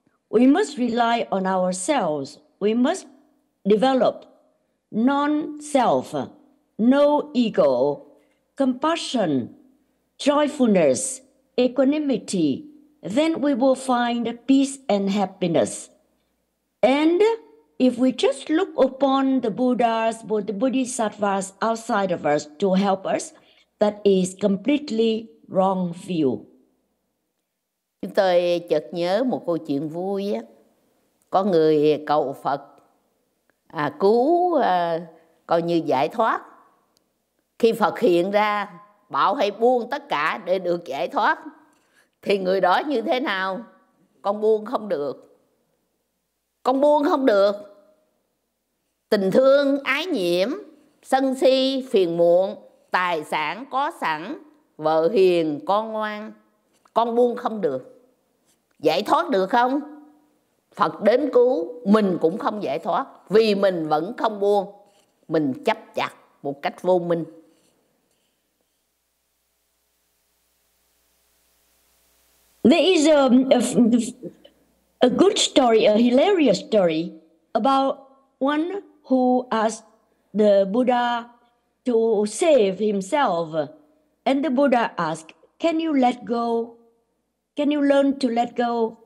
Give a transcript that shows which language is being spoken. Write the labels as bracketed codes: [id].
[en] We must rely on ourselves. We must develop non-self, no ego, compassion, joyfulness, equanimity. Then we will find peace and happiness. And if we just look upon the Buddhas, both the Bodhisattvas outside of us to help us, that is completely wrong view. [vi] Chúng tôi chợt nhớ một câu chuyện vui á. Có người cầu Phật cứu, coi như giải thoát. Khi Phật hiện ra, bảo hãy buông tất cả để được giải thoát. Thì người đó như thế nào? Con buông không được. Con buông không được. Tình thương, ái nhiễm, sân si, phiền muộn, tài sản có sẵn, vợ hiền, con ngoan. Con buông không được. Giải thoát được không? Phật đến cứu, mình cũng không giải thoát. Vì mình vẫn không buông. Mình chấp chặt một cách vô minh. [en] There is a good story, a hilarious story about one who asked the Buddha to save himself. And the Buddha asked, can you let go? Can you learn to let go?